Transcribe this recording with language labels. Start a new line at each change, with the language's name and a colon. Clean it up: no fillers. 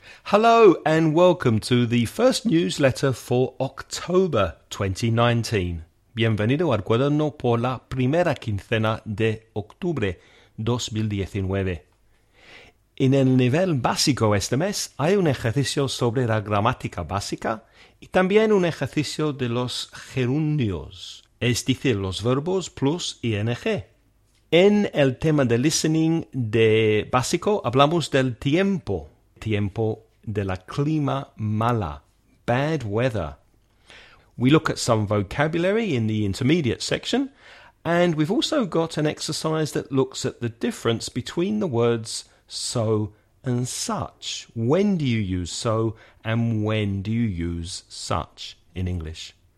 English: Hello and welcome to the first newsletter for October 2019.
Spanish: Bienvenido al cuaderno por la primera quincena de octubre 2019. En el nivel básico este mes hay un ejercicio sobre la gramática básica y también un ejercicio de los gerundios, es decir, los verbos plus ing. En el tema de listening de básico hablamos del tiempo, tiempo de la clima mala,
English: bad weather. We look at some vocabulary in the intermediate section, and we've also got an exercise that looks at the difference between the words so and such. When do you use so and when do you use such in English?